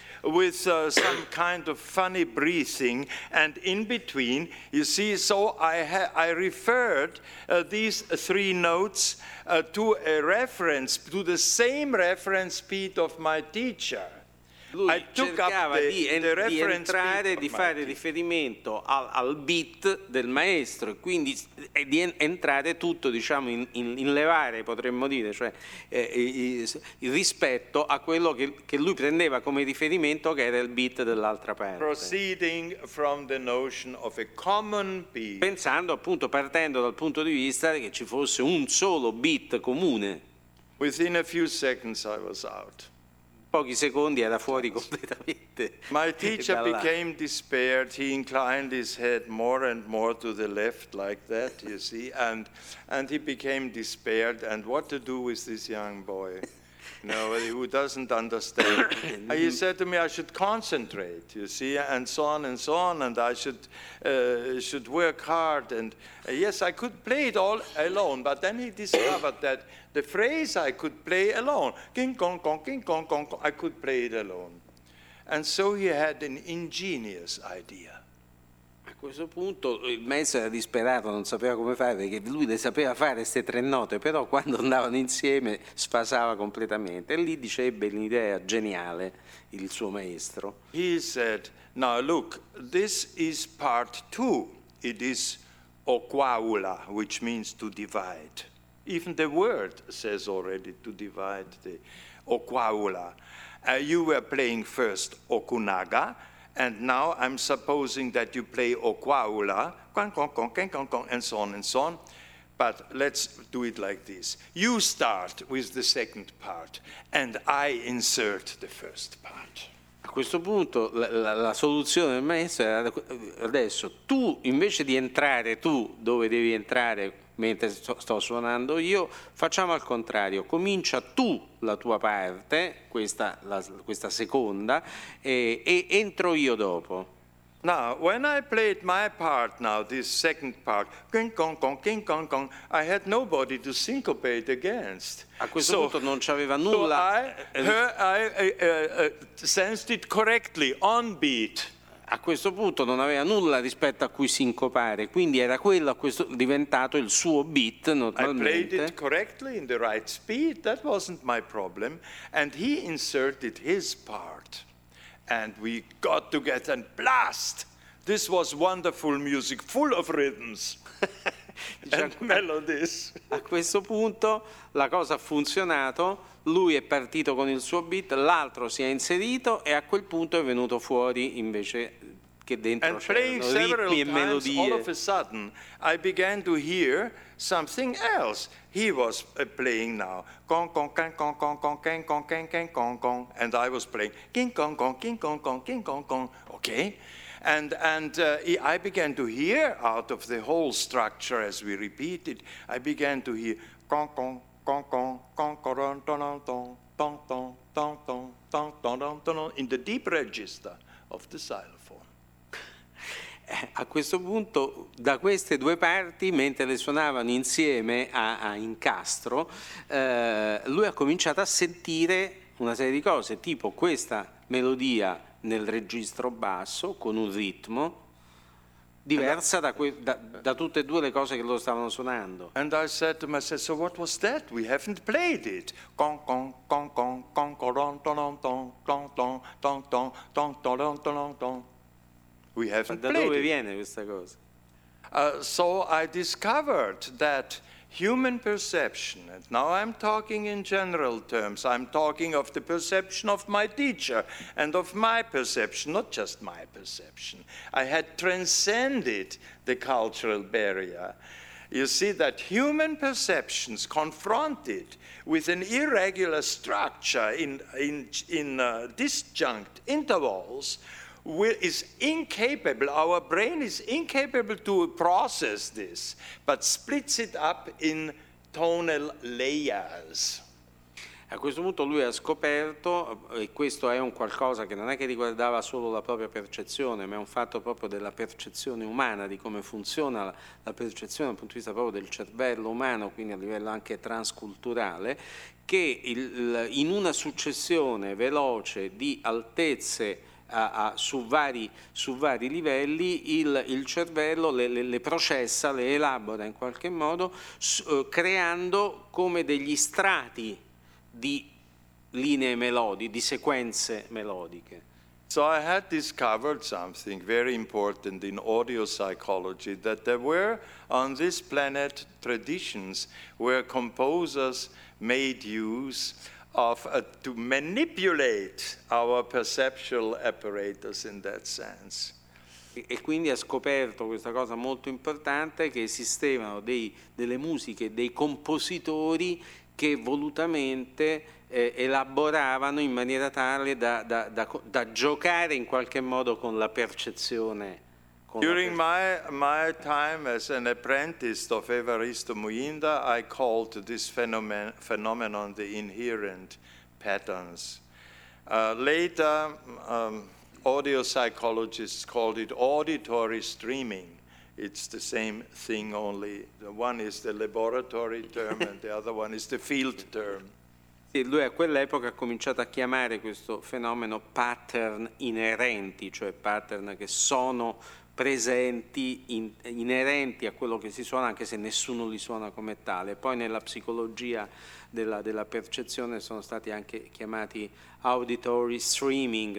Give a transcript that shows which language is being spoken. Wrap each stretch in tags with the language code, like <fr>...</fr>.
<en>With some kind of funny breathing, and in between, you see, so I referred these three notes to a reference, to the same reference beat of my teacher. Lui I took cercava up the reference di entrare, beat di fare teacher.</en> <it>Riferimento al beat del maestro, quindi di entrare tutto, diciamo, in levare, potremmo dire, cioè rispetto a quello che lui prendeva come riferimento, che era il beat dell'altra parte.</it> <en>Proceeding from the notion of a common beat.</en> <it>Pensando, appunto, partendo dal punto di vista che ci fosse un solo beat comune.</it> <en>Within a few seconds I was out.</en> <it>Pochi secondi era fuori completamente.</it> <en>My teacher became despaired. He inclined his head more and more to the left, like that, you see, and he became despaired. And what to do with this young boy, who doesn't understand? And he said to me, "I should concentrate, you see, and so on and so on, and I should work hard." And yes, I could play it all alone, but then he discovered that. The phrase I could play alone, king kong kong, king kong kong, I could play it alone. And so he had an ingenious idea.</en> <it>A questo punto il maestro era disperato, non sapeva come fare, perché lui le sapeva fare queste tre note, però quando andavano insieme sfasava completamente. E lì dicebbe l'idea geniale, il suo maestro.</it> <en>He said, now look, this is part two. It is oquaula, which means to divide. Even the word says already to divide the oquaula. You were playing first okunaga, and now I'm supposing that you play oquaula, and so on and so on. But let's do it like this. You start with the second part and I insert the first part.</en> <it>A questo punto la soluzione del maestro è adesso tu, invece di entrare tu dove devi entrare mentre sto suonando io, facciamo al contrario, comincia tu la tua parte, questa seconda, e entro io dopo.</it> <en>Now, when I played my part now, this second part, king kong kong, king kong kong, I had nobody to syncopate against.</en> <it>A questo punto non c'aveva nulla.</it> <en>I sensed it correctly, on beat.</en> <it>A questo punto non aveva nulla rispetto a cui sincopare, quindi era quello diventato il suo beat, normalmente.</it> <en>I played it correctly, in the right speed, that wasn't my problem, and he inserted his part. And we got together and blast! This was wonderful music, full of rhythms and melodies.</en> <it>A questo punto la cosa ha funzionato, lui è partito con il suo beat, l'altro si è inserito e a quel punto è venuto fuori invece che dentro c'erano ritmi</it> <en>several</en> <it>e melodie.</it> <en>Times, all of a sudden, I began to hear something else. He was playing now, kong kong kong kong kong kong kong kong kong kong kong kong, and I was playing king kong kong king kong kong king kong kong. Okay, I began to hear out of the whole structure as we repeated. I began to hear kong kong kong kong kong kong kong kong kong kong kong kong kong kong kong kong kong in the deep register of the xylophone.</en> <it>A questo punto, da queste due parti, mentre le suonavano insieme a incastro, lui ha cominciato a sentire una serie di cose, tipo questa melodia nel registro basso, con un ritmo, diversa da tutte e due le cose che lo stavano suonando.</it> <en>And I said to myself, so what was that? We haven't played it. Kong kong kong kong kong kong kong kong kong kong kong kong kong kong kong kong kong. We haven't</en> <it>da</it> <en>played</en> <it>dove</it> <en>it.</en> <it>Viene questa cosa?</it> <en>So I discovered that human perception, and now I'm talking in general terms, I'm talking of the perception of my teacher and of my perception, not just my perception. I had transcended the cultural barrier. You see that human perceptions confronted with an irregular structure in disjunct intervals is incapable, our brain is incapable to process this, but splits it up in tonal layers.</en> <it>A questo punto lui ha scoperto, e questo è un qualcosa che non è che riguardava solo la propria percezione, ma è un fatto proprio della percezione umana, di come funziona la percezione dal punto di vista proprio del cervello umano, quindi a livello anche transculturale, che in una successione veloce di altezze su vari livelli il cervello le processa, le elabora in qualche modo, creando come degli strati di linee melodiche, di sequenze melodiche.</it> <en>So I had discovered something very important in audio psychology, that there were on this planet traditions where composers made use to manipulate our perceptual apparatus in that sense.</en> <it>E quindi ha scoperto questa cosa molto importante, che esistevano delle musiche, dei compositori che volutamente elaboravano in maniera tale da giocare in qualche modo con la percezione.</it> <en>During my time as an apprentice of Evaristo Muinda, I called this phenomenon the inherent patterns. Later, audio psychologists called it auditory streaming. It's the same thing, only the one is the laboratory term and the other one is the field term.</en> <it>Sì, lui a quell'epoca ha cominciato a chiamare questo fenomeno pattern inerenti, cioè pattern che sono presenti, inerenti a quello che si suona, anche se nessuno li suona come tale. Poi nella psicologia della percezione sono stati anche chiamati auditory streaming.</it>